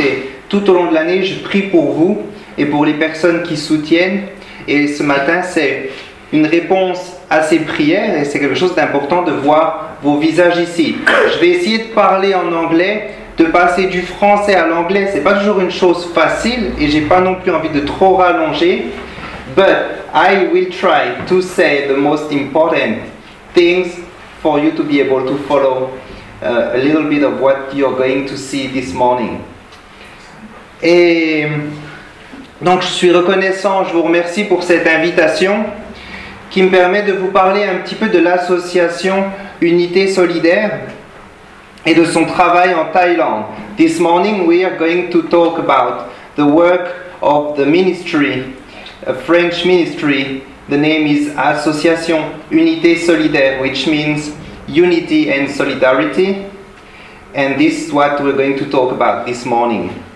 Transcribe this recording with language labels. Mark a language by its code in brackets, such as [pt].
[fr] Et tout au long de l'année, je prie pour vous et pour les personnes qui soutiennent. Et ce matin, c'est une réponse à ces prières et c'est quelque chose d'important de voir vos visages ici. Je vais essayer de parler en anglais. De passer du français à l'anglais, c'est pas toujours une chose facile et j'ai pas non plus envie de trop rallonger. [en] But I will try to say the most important things for you to be able to follow a little bit of what you're going to see this morning. [fr] Et donc je suis reconnaissant, je vous remercie pour cette invitation qui me permet de vous parler un petit peu de l'association Unité Solidaire et de son travail en Thaïlande. [en] This morning we are going to talk about the work of the ministry, a French ministry. The name is Association Unité Solidaire, which means unity and solidarity. And this is what we're going to talk about this morning.